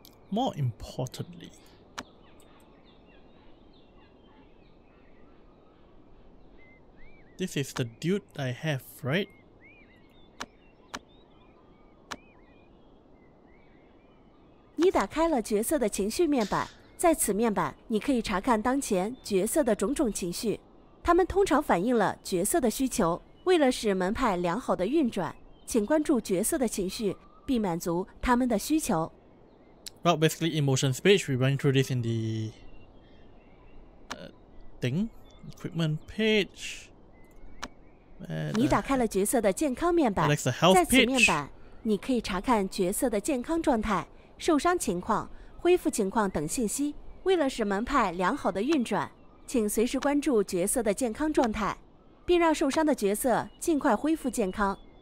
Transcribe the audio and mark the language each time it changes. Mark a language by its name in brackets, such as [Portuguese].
[English] More importantly, this is the dude I have, right? [Chinese] You 打开了角色的情绪面板，在此面板，你可以查看当前角色的种种情绪，它们通常反映了角色的需求。为了使门派良好的运转，请关注角色的情绪，并满足他们的需求。 [English] Well, basically emotion speech, we run through this in the equipment page. [Chinese] 你打开了角色的健康面板，在此面板你可以查看角色的健康状态、受伤情况、恢复情况等信息。为了使门派良好的运转，请随时关注角色的健康状态，并让受伤的角色尽快恢复健康。